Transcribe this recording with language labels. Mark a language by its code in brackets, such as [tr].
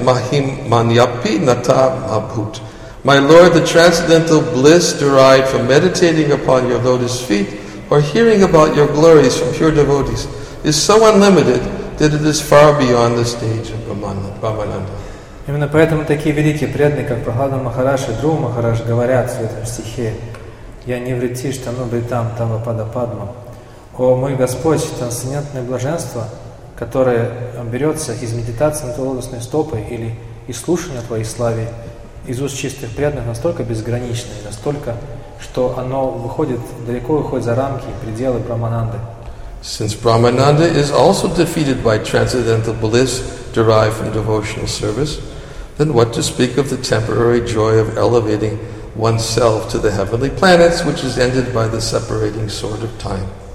[en] My Lord, the transcendental bliss derived from meditating upon your lotus feet or hearing about your glories from pure devotees is so unlimited that it is far beyond the stage of Brahmananda. [ru] Именно поэтому такие великие преданные, как Прахлада Махарадж и Друва Махарадж, говорят в этом стихе [sa] «Я не врати штану бритам тава пада падма». [ru] О, мой Господь, трансцендентное блаженство, которое берется из медитации на твои лотосные стопы или из слушания твоей славе, из уст чистых преданных, настолько безграничное, настолько, что оно выходит, далеко выходит за рамки и пределы Брамананды. [en] Since Brahmananda is also defeated by transcendental bliss derived from devotional service, then what to speak of the temporary joy of elevating oneself to the heavenly planets, which is ended by the separating sword of time.